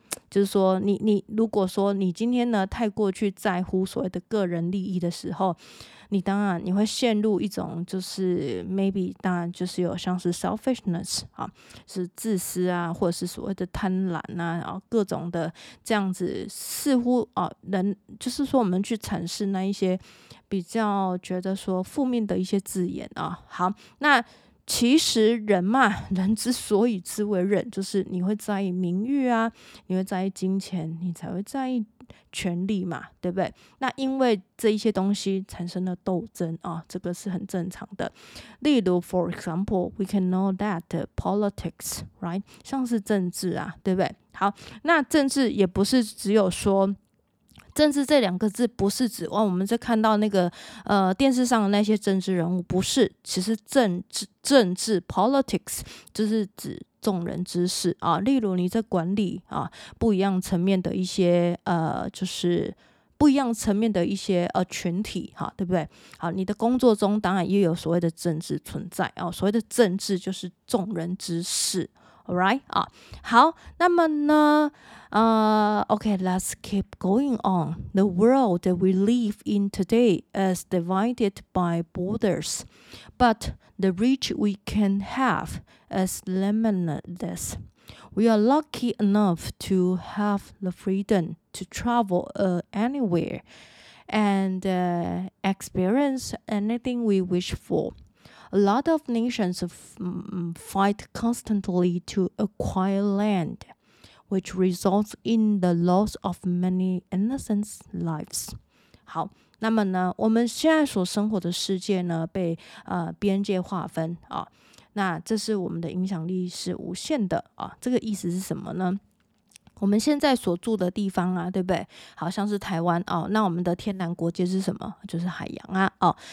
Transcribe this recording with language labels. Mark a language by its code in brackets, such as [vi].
[zh] 就是说你如果说你今天呢太过去在乎所谓的个人利益的时候，你当然你会陷入一种就是 maybe 当然就是有像是 selfishness 啊，是自私啊，或者是所谓的贪婪啊，然后各种的这样子，似乎啊人就是说我们去阐释那一些比较觉得说负面的一些字眼啊。好，那其实人嘛，人之所以之为人，就是你会在意名誉啊，你会在意金钱，你才会在意权力嘛，对不对？那因为这一些东西产生了斗争啊，这个是很正常的。例如 [en] for example we can know that politics right [zh] 像是政治啊，对不对？好，那政治也不是只有说政治这两个字不是指我们在看到那个电视上的那些政治人物，不是，其实政治 politics 就是指众人之事啊，例如你在管理啊不一样层面的一些就是不一样层面的一些群体啊，对不对？好，你的工作中当然也有所谓的政治存在啊，所谓的政治就是众人之事。 [en] Alright [zh] 啊，好，那么呢， [en] okay, let's keep going on. The world that we live in today is divided by borders, but the reach we can have is limitless. We are lucky enough to have the freedom to travel anywhere and experience anything we wish for. A lot of nations fight constantly to acquire land, which results in the loss of many innocent lives. [zh] 好，那么呢，我们现在所生活的世界呢，被边界划分啊，那这是我们的影响力是无限的啊。这个意思是什么呢？我们现在所住的地方啊，对不对？好像是台湾哦，那我们的天然国界是什么？就是海洋啊，哦。